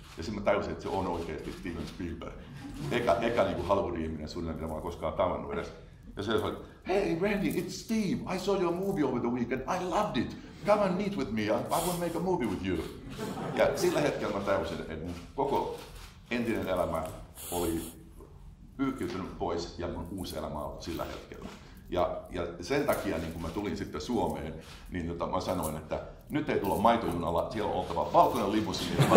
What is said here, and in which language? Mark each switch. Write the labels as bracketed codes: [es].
[fi] Ja sitten mä tajusin, että se on oikeasti Steven Spielberg. Eka niin kuin Hollywood-ihminen suunnilleen, mitä mä oon koskaan tavannut edes. Ja se sanoi, [en] hey Randy, it's Steve, I saw your movie over the weekend, I loved it. Come and meet with me, I want to make a movie with you. [fi] Ja sillä hetkellä mä tajusin, että mun koko entinen elämä oli pyyhkiytynyt pois ja mun uusi elämä on sillä hetkellä. Ja sen takia, niin kun mä tulin sitten Suomeen, niin jota mä sanoin, että nyt ei tulla maitojunalla, siellä on oltava valkoinen limusiini.